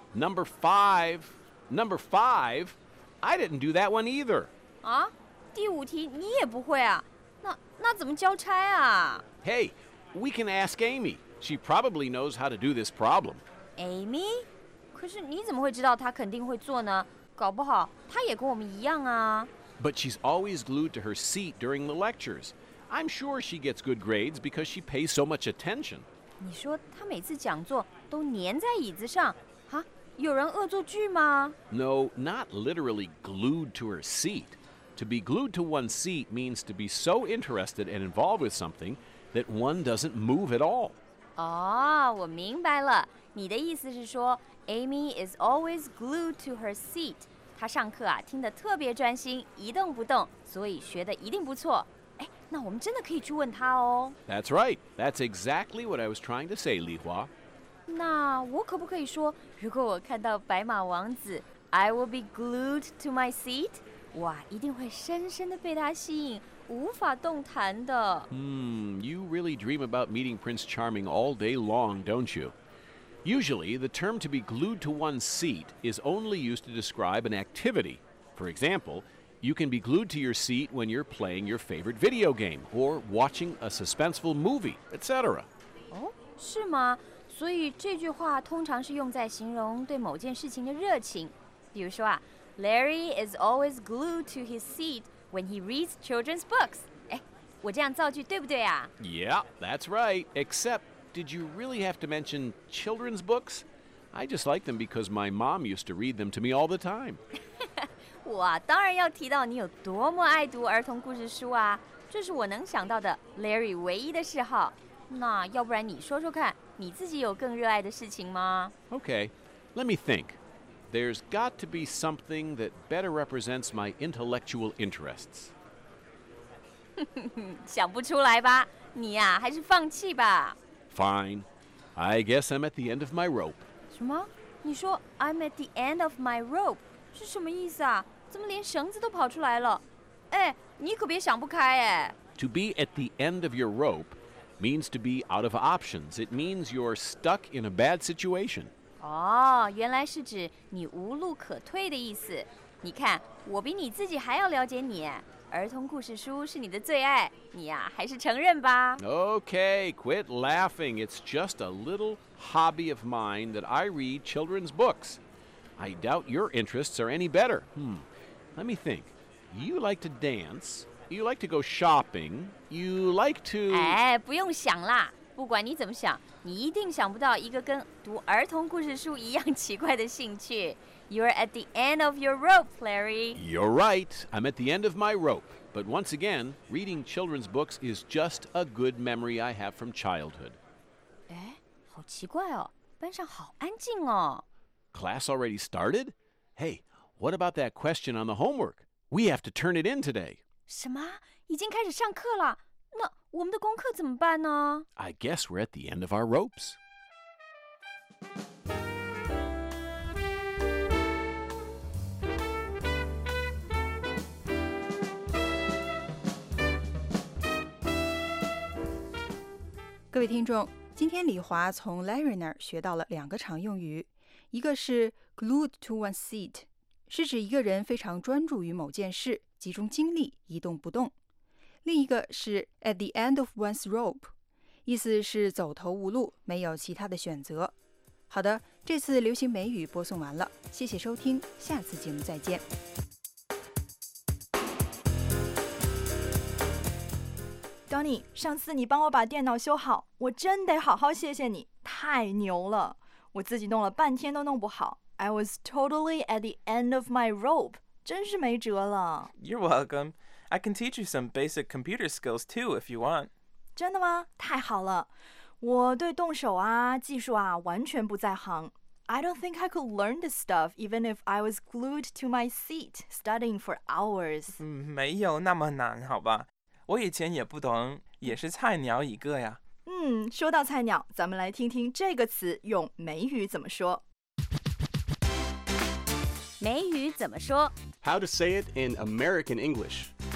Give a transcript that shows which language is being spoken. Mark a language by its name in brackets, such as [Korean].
[English] Number five, I didn't do that one either. [Chinese] 啊？第五题你也不会啊？那怎么交差啊？ [English] Hey, we can ask Amy. She probably knows how to do this problem. Amy? [Chinese] 可是你怎么会知道她肯定会做呢？搞不好她也跟我们一样啊。 [English] But she's always glued to her seat during the lectures. I'm sure she gets good grades because she pays so much attention. [Chinese] 你说她每次讲座都粘在椅子上，啊？有人恶作剧吗？ [English] No, not literally glued to her seat. To be glued to one's seat means to be so interested and involved with something that one doesn't move at all. [Chinese] 哦，我明白了。你的意思是说 ， [English] Amy is always glued to her seat. [Chinese] 他上课啊，听得特别专心，一动不动，所以学得一定不错。哎，那我们真的可以去问他哦。 [English] That's right. That's exactly what I was trying to say, 李华。 [Chinese] 那我可不可以说，如果我看到白马王子 ， [English] I will be glued to my seat， [Chinese] 哇，一定会深深地被他吸引，无法动弹的。 [English] You really dream about meeting Prince Charming all day long, don't you? Usually, the term to be glued to one's seat is only used to describe an activity. For example, you can be glued to your seat when you're playing your favorite video game or watching a suspenseful movie, etc. [Chinese] 哦，是吗？所以这句话通常是用在形容对某件事情的热情。比如说啊 ， [English] Larry is always glued to his seat when he reads children's books. [Chinese] 哎，我这样造句对不对啊 [English] ？Yeah, that's right. Except.Did you really have to mention children's books? I just like them because my mom used to read them to me all the time. [Chinese] 我当然要提到你有多么爱读儿童故事书啊，这是我能想到的 Larry 唯一的嗜好。那要不然你说说看，你自己有更热爱的事情吗？ [English] Okay, let me think. There's got to be something that better represents my intellectual interests. [Chinese] 想不出来吧？你呀，还是放弃吧。 [English] Fine, I guess I'm at the end of my rope. [Chinese] 什么？你说 [English] I'm at the end of my rope [Chinese] 是什么意思啊？怎么连绳子都跑出来了？哎，你可别想不开哎。 [English] To be at the end of your rope means to be out of options. It means you're stuck in a bad situation. [Chinese] 哦，原来是指你无路可退的意思。你看，我比你自己还要了解你。儿童故事书是你的最爱，你呀，还是承认吧。 [English] Okay, quit laughing. It's just a little hobby of mine that I read children's books. I doubt your interests are any better. Let me think. You like to dance. You like to go shopping. You like to... [Chinese] 哎，不用想啦。不管你怎么想，你一定想不到一个跟读儿童故事书一样奇怪的兴趣。 [English] You're at the end of your rope, Larry. You're right. I'm at the end of my rope. But once again, reading children's books is just a good memory I have from childhood. [Chinese] 哎，好奇怪哦，班上好安静哦。 [English] Class already started? Hey, what about that question on the homework? We have to turn it in today. [Chinese] 什么？已经开始上课了？那我们的功课怎么办呢？ [English] I guess we're at the end of our ropes. [Chinese] 各位听众，今天李华从 Larry 那儿学到了两个常用语，一个是 glued to one's seat， 是指一个人非常专注于某件事，集中精力，一动不动；另一个是 at the end of one's rope， 意思是走投无路，没有其他的选择。好的，这次流行美语播送完了，谢谢收听，下次节目再见。 Johnny， 上次你帮我把电脑修好，我真得好好谢谢你，太牛了！我自己弄了半天都弄不好。 [English] I was totally at the end of my rope， [Chinese] 真是没辙了。 [English] You're welcome. I can teach you some basic computer skills too if you want. [Chinese] 真的吗？太好了！我对动手啊、技术啊完全不在行。 [English] I don't think I could learn this stuff even if I was glued to my seat studying for hours. [Chinese] 没有那么难，好吧？我以前也不懂，也是菜鸟一个呀。说到菜鸟，咱们来听听这个词用美语怎么说。美语怎么说？ [English] How to say it in American English.